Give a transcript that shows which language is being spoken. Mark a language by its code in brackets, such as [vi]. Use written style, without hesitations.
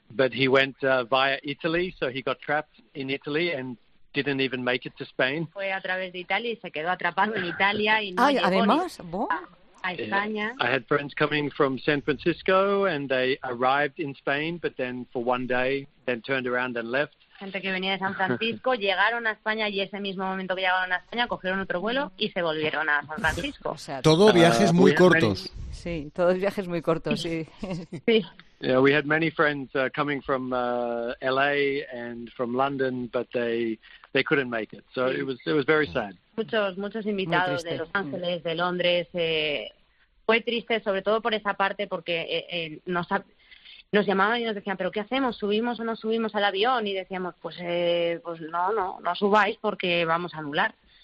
[en] But he went via Italy, so he got trapped in Italy and didn't even make it to Spain. [es] Fue a través de Italia y se quedó atrapado en Italia y no. Ay, además, ¿vos? [en] I had friends coming from San Francisco and they arrived in Spain, but then for one day, then turned around and left. [es] gente que venía de San Francisco, llegaron a España y ese mismo momento que llegaron a España cogieron otro vuelo y se volvieron a San Francisco. O sea, todo viajes muy cortos. Sí, todos viajes muy cortos, sí. Sí. [en] Yeah, we had many friends coming from LA and from London, but they couldn't make it. So it was very sad. [es] Muchos invitados de Los Ángeles, de Londres, fue triste sobre todo por esa parte porque nos llamaban y nos decían, ¿pero qué hacemos? ¿Subimos o no subimos al avión? Y decíamos, pues no subáis porque vamos a anular.